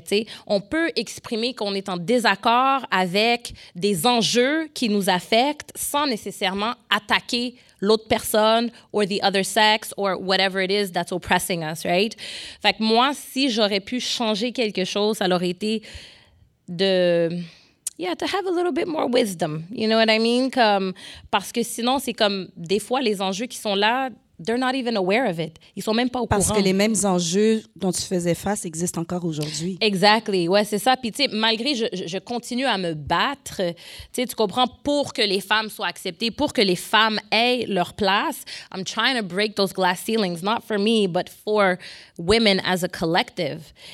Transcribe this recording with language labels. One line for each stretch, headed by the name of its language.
French: T'sais. On peut exprimer qu'on est en désaccord avec des enjeux qui nous affectent sans nécessairement attaquer l'autre personne or the other sex or whatever it is that's oppressing us, right? Fait que moi, si j'aurais pu changer quelque chose, ça aurait été de...
English: Yeah, to have a little bit more wisdom, you know what I mean?
French: Comme, parce que sinon, c'est comme des fois les enjeux qui sont là...
English: They're not even aware of it.
French: Ils sont même pas au courant. Parce que les mêmes enjeux dont tu faisais face existent encore aujourd'hui.
English: Exactly.
French: Ouais, c'est ça. Puis, tu sais, malgré que je continue à me battre, tu comprends, pour que les femmes soient acceptées, pour que les femmes aient leur place,
English: I'm trying to break those glass ceilings, not for me, but for women as a collective.